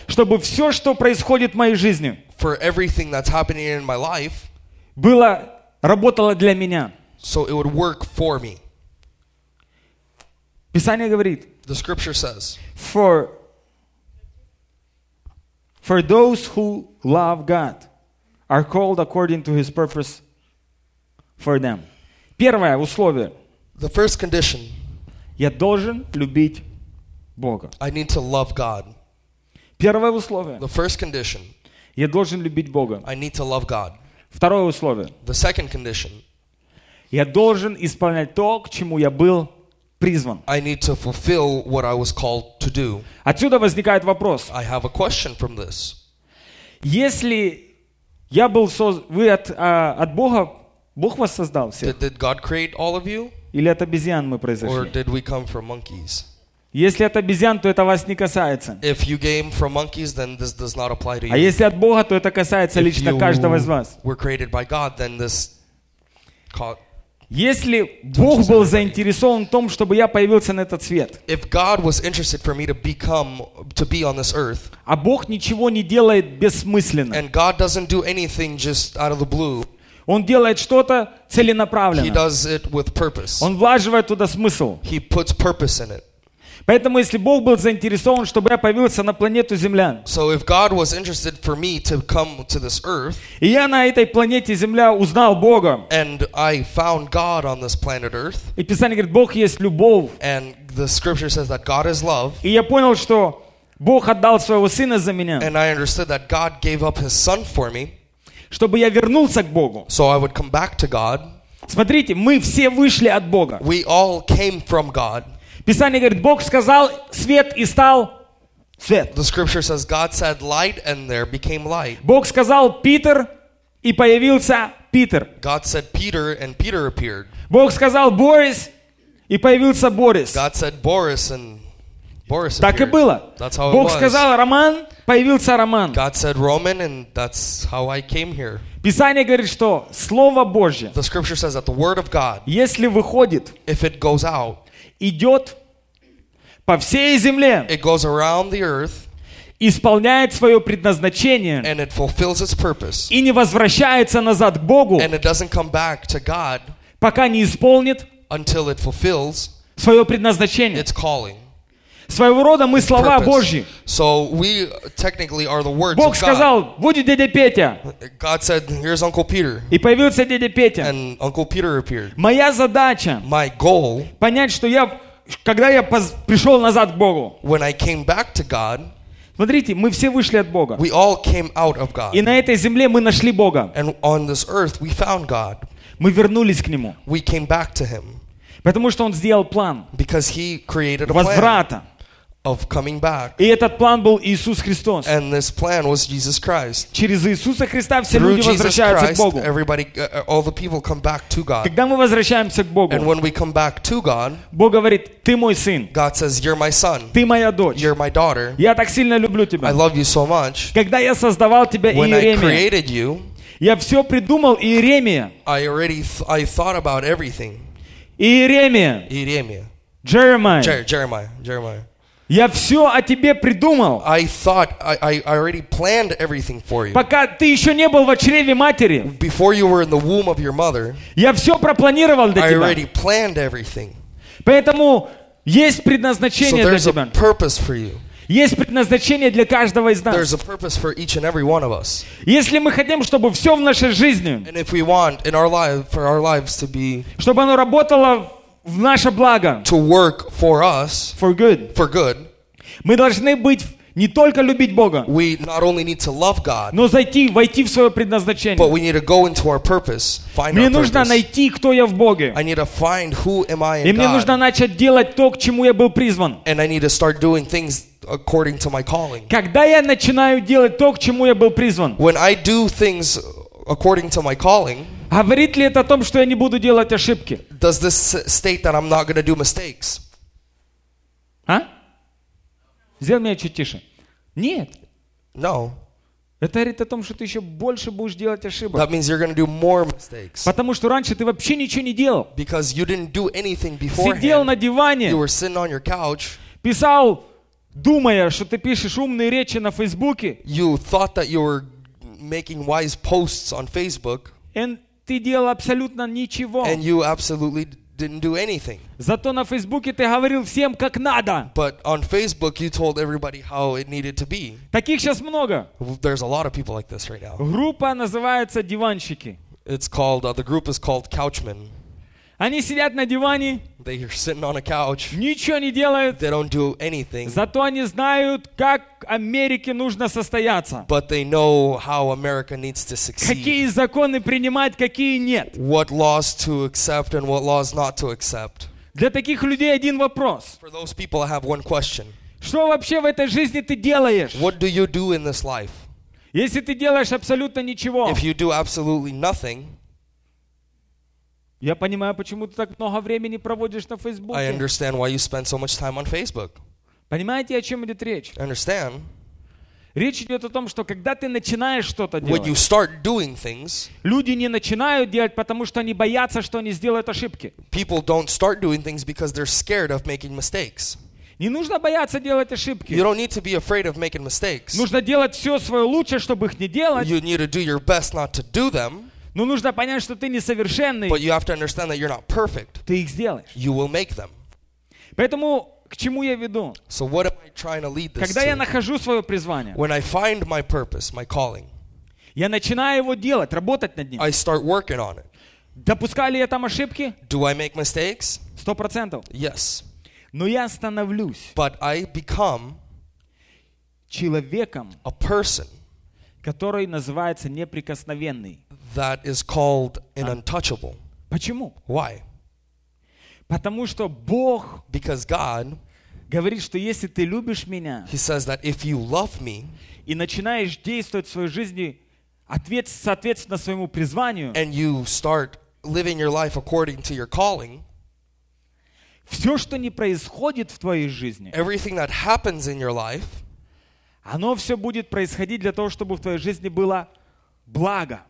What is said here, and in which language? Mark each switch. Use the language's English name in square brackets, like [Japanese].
[Russian] чтобы все, что происходит в моей жизни, [English] for everything that's happening in my life, [Russian] было работало для меня. [English] So it would work for me. [Russian] Писание говорит, [English] the scripture says, for those who love God are called according to His purpose for them. [Russian] Первое условие. [English] The first condition. [Russian] Я должен любить Бога. [English] I need to love God. [Russian] Первое условие. [English] The first condition. [Russian] Я должен любить Бога. [English] I need to love God. [Russian] Второе условие. [English] The second condition. [Russian] Я должен исполнять то, к чему я был призван. [English] I need to fulfill what I was called to do. [Russian] Отсюда возникает вопрос. [English] I have a question from this. [Russian] Если я был от Бога, Бог вас создал всех. [English] Did God create all of you? [Russian] Или от обезьян мы произошли? [English] Or did we come from monkeys? [Russian] Если от обезьян, то это вас не касается. [English] If you came from monkeys, then this does not apply to you. [Russian] А если от Бога, то это касается [English] If [Russian] лично каждого из вас. [English] Were created by God, then this [Russian] Если Бог был заинтересован в том, чтобы я появился на этот свет, [English] If God was interested for me to be on this earth, [Russian] а Бог ничего не делает бессмысленно, [English] and God doesn't do anything just out of the blue, [Russian] Он делает что-то целенаправленно, [English] He does it with purpose. [Russian] Он влаживает туда смысл. [English] He puts purpose in it. [Russian] Поэтому, если Бог был заинтересован, чтобы я появился на планету Земля, [English] so if God was interested for me to come to this earth, [Russian] и я на этой планете Земля узнал Бога, [English] and I found God on this planet Earth, [Russian] и Писание говорит, Бог есть любовь, [English] and the scripture says that God is love, [Russian] и я понял, что Бог отдал своего Сына за меня, [English] and I understood that God gave up His Son for me, [Russian] чтобы я вернулся к Богу, [English] so I would come back to God. [Russian] Смотрите, мы все вышли от Бога. [English] We all came from God. [Russian] Писание говорит, Бог сказал свет и стал свет. [English] The scripture says God said light and there became light. [Russian] Бог сказал Питер и появился Питер. [English] God said Peter and Peter appeared. [Russian] Бог сказал Борис и появился Борис. [English] God said Boris and Boris appeared. [Russian] Так и было. [English] That's how it [Russian] Бог [English] was. [Russian] Сказал Роман, появился Роман. [English] God said Roman and that's how I came here. [Russian] Писание говорит, что Слово Божье. [English] The scripture says that the word of God. [Russian] Если выходит. [English] If it goes out. [Russian] Идет по всей земле. [English] It goes around the earth, [Russian] исполняет свое предназначение. [English] And it fulfills its purpose, [Russian] и не возвращается назад к Богу. [English] And it doesn't come back to God, [Russian] пока не исполнит [English] until it fulfills [Russian] свое предназначение. [English] Its calling, [Russian] своего рода мы слова [English] purpose. [Russian] Божьи. [English] So we technically are the words [Russian] Бог сказал, [English] of God. [Russian] Будет дядя Петя. [English] God said, Here's Uncle Peter. [Russian] И появился дядя Петя. [English] And Uncle Peter appeared. [Russian] Моя задача [English] My goal, [Russian] понять, что я, когда я пришел назад к Богу, [English] when I came back to God, [Russian] смотрите, мы все вышли от Бога. [English] We all came out of God. [Russian] И на этой земле мы нашли Бога. [English] And on this earth we found God. [Russian] Мы вернулись к Нему. [English] We came back to Him. [Russian] Потому что Он сделал план [English] Because He created a [Russian] возврата. [English] Of coming back. [Russian] И этот план был Иисус Христос. [English] And this plan was Jesus Christ. [Russian] Через Иисуса Христа все [English] Through [Russian] люди возвращаются [English] Jesus Christ, [Russian] к Богу. [English] Everybody, all the people come back to God. [Russian] Когда мы возвращаемся к Богу, [English] And when we come back to God, [Russian] Бог говорит, ты мой сын. [English] God says, You're my son. [Russian] Ты моя дочь. [English] You're my daughter. [Russian] Я так сильно люблю тебя. [English] I love you so much. [Russian] Когда я создавал тебя, [English] when [Russian] Иеремия, [English] I created you, [Russian] я все придумал, Иеремия. [English] I already I thought about everything. [Russian] Иеремия. Иеремия. [English] Jeremiah. Jeremiah. [Russian] Я все о тебе придумал. [English] I thought I already planned everything for you. [Russian] Пока ты еще не был в чреве матери. [English] Before you were in the womb of your mother. [Russian] Я все пропланировал для [English] I [Russian] тебя. [English] I already planned everything. [Russian] Поэтому есть предназначение [English] so [Russian] для тебя. [English] So there's a purpose for you. [Russian] Есть предназначение для каждого из нас. [English] There's a purpose for each and every one of us. [Russian] Если мы хотим, чтобы все в нашей жизни. [English] And if we want in our life for our lives to be. [Russian] Чтобы оно работало. В наше благо. [English] To work for us. For good. For good. [Russian] Мы должны быть не только любить Бога. [English] We not only need to love God. [Russian] Но зайти, войти в свое предназначение. [English] But we need to go into our purpose. Find [Russian] мне [English] our [Russian] нужно [English] purpose. [Russian] Найти, кто я в Боге. [English] I need to find who am I in God. [Russian] И мне нужно начать делать то, к чему я был призван. [English] And I need to start doing things according to my calling. [Russian] Когда я начинаю делать то, к чему я был призван. [English] When I do things according to my calling. [Russian] Говорит ли это о том, что я не буду делать ошибки? [English] Does this state that I'm not going to do mistakes? [Russian] А? Сделай меня чуть тише. Нет. [English] No. [Russian] Это говорит о том, что ты еще больше будешь делать ошибок. [English] That means you're going to do more mistakes. [Russian] Потому что раньше ты вообще ничего не делал. [English] Because you didn't do anything beforehand. [Russian] Сидел на диване. [English] You were sitting on your couch. [Russian] Писал, думая, что ты пишешь умные речи на Фейсбуке. [English] You thought that you were making wise posts on Facebook. And [Russian] ты делал абсолютно ничего. [English] And you absolutely didn't do anything. [Russian] Зато на Фейсбуке ты говорил всем, как надо. [English] But on Facebook you told everybody how it needed to be. [Russian] Таких сейчас много. [English] There's a lot of people like this right now. [Russian] Группа называется «Диванщики». [English] It's called, the group is called Couchmen. [Russian] Они сидят на диване. [English] They are sitting on a couch. [Russian] Ничего не делают. [English] They don't do anything. [Russian] Зато они знают, как Америке нужно состояться. [English] But they know how America needs to succeed. [Russian] Какие законы принимать, какие нет. [English] What laws to accept and what laws not to accept. [Russian] Для таких людей один вопрос. [English] For those people, I have one question. [Russian] Что вообще в этой жизни ты делаешь? [English] What do you do in this life? [Russian] Если ты делаешь абсолютно ничего. [English] If you do absolutely nothing. [Russian] Я понимаю, почему ты так много времени проводишь на Фейсбуке. [English] I understand why you spend so much time on Facebook. [Russian] Понимаете, о чем идет речь? [English] Understand. [Russian] Речь идет о том, что когда ты начинаешь что-то делать, [English] when you start doing things, [Russian] люди не начинают делать, потому что они боятся, что они сделают ошибки. [English] People don't start doing things because they're scared of making mistakes. [Russian] Не нужно бояться делать ошибки. [English] You don't need to be afraid of making mistakes. [Russian] Нужно делать все свое лучшее, чтобы их не делать. [English] You need to do your best not to do them. [Russian] Но нужно понять, что ты несовершенный. [English] But you have to understand that you're not perfect. [Russian] Ты их сделаешь. [English] You will make them. [Russian] Поэтому к чему я веду? [English] So what am I trying to lead this [Russian] Когда [English] to? [Russian] Я нахожу свое призвание, [English] when I find my purpose, my calling, [Russian] я начинаю его делать, работать над ним. [English] I start working on it. [Russian] Допускаю ли я там ошибки? [English] Do I make mistakes? [Russian] 100%. [English] Yes. [Russian] Но я становлюсь. [English] But I become [Russian] человеком. [English] A person. [Russian] Который называется неприкосновенный. [English] That is called an untouchable. [Russian] Почему? [English] Why? [Russian] Потому что Бог [English] Because God [Russian] говорит, что если ты любишь меня [English] He says that if you love me, [Russian] и начинаешь действовать в своей жизни соответственно своему призванию, [English] and you start living your life according to your calling, [Russian] все, что не происходит в твоей жизни, [English] everything that happens in your life, [Russian] оно все будет происходить для того, чтобы в твоей жизни было благо.